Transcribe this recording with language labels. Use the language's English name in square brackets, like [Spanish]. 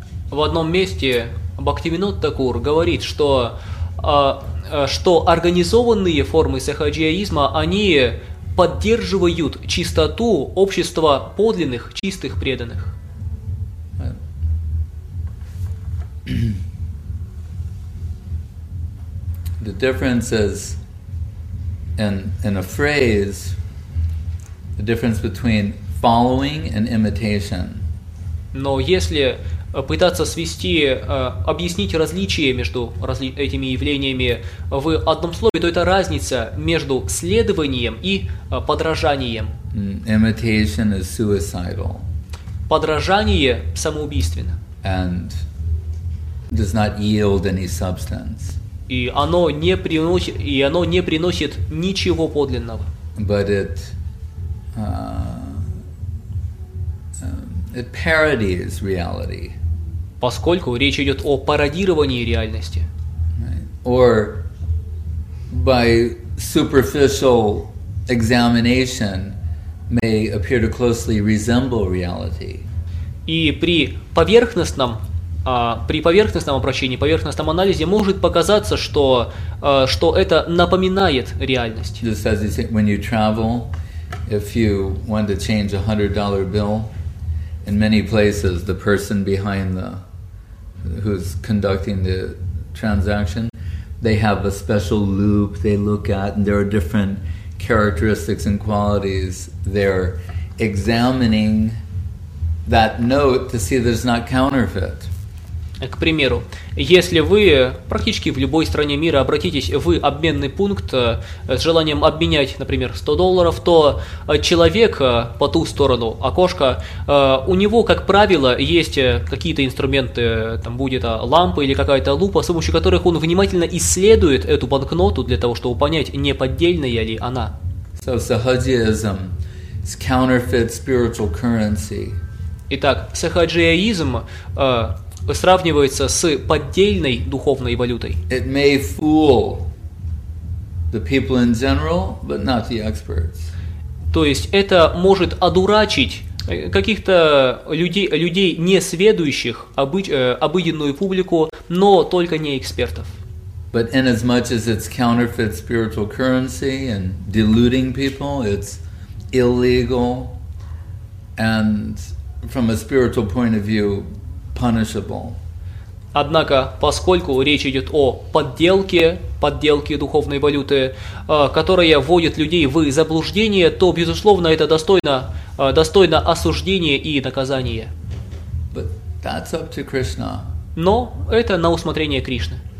[Russian] В одном месте Бхактивинод Такур говорит, что, что организованные формы сахаджиаизма, они поддерживают чистоту общества подлинных, чистых преданных. [English] The difference is in a phrase, the difference between following and imitation. [Russian] Но если пытаться свести, объяснить различие между этими явлениями в одном слове, то это разница между следованием и подражанием. [English] Imitation is suicidal. [Russian] Подражание самоубийственно. [English] And does not yield any substance. [Russian] И оно не приносит, и оно не приносит ничего подлинного. [English] But it, it parodies reality. [Russian] Поскольку речь идет о пародировании реальности. [English] Right. Or by superficial examination may appear to closely resemble reality. [Russian] И при поверхностном обращении, поверхностном анализе может показаться, что, что это напоминает реальность. [English] Just as you say, when you travel, if you want to change a $100 bill, in many places the person behind the who's conducting the transaction, they have a special loop they look at, and there are different characteristics and qualities they're examining that note to see there's not counterfeit. [Russian] К примеру, если вы практически в любой стране мира обратитесь в обменный пункт с желанием обменять, например, $100, то человек по ту сторону окошка, у него, как правило, есть какие-то инструменты, там будет лампа или какая-то лупа, с помощью которых он внимательно исследует эту банкноту для того, чтобы понять, не поддельная ли она. [English] So, sahajism is counterfeit spiritual currency. [Russian] Итак, сахаджиаизм сравнивается с поддельной духовной валютой. [English] It may fool the people in general, but not the experts. [Russian] То есть это может одурачить каких-то людей, людей не сведущих, обыденную публику, но только не экспертов. [English] But inasmuch as it's counterfeit spiritual currency and deluding people, it's illegal and from a spiritual point of view, punishable. [Russian] Однако, поскольку речь идет о подделке, подделке духовной валюты, которая вводит людей в заблуждение, то, безусловно, это достойно, достойно осуждения и наказания. [English] But that's up to Krishna. [Russian] Но это на усмотрение Кришны.